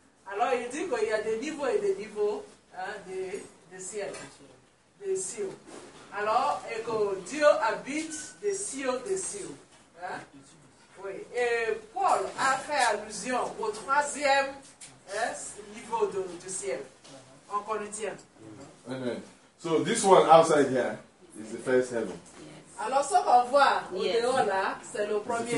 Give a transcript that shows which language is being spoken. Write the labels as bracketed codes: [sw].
[fr] Alors il dit qu'il y a des niveaux et des niveaux des ciels, des cieux. Alors, et que Dieu habite des cieux. Hein? Oui. Et Paul a fait allusion au troisième niveau du ciel, en Corinthiens. Amen. [en] So, this one outside here is the first heaven. Yes. [fr] Alors, ce qu'on voit au dehors là, c'est le premier